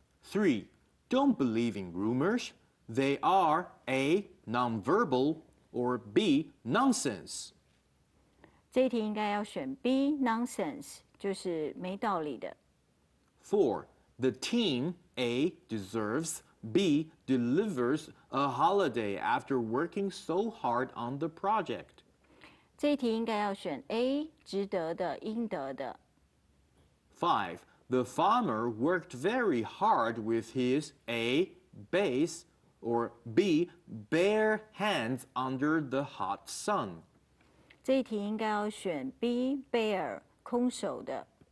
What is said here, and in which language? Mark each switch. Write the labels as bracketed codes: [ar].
[en] Three. Don't believe in rumors. They are A, nonverbal, or B, nonsense. [zh] 这一题应该要选 B, nonsense, 就是没道理的。 [en] Four, the team A deserves, B delivers a holiday after working so hard on the project. [zh] 这一题应该要选 A, 值得的，应得的。 [en] Five,The farmer worked very hard with his A, base, or B, bare hands under the hot sun. [zh] 这一题应该要选 B, bare, 空手的。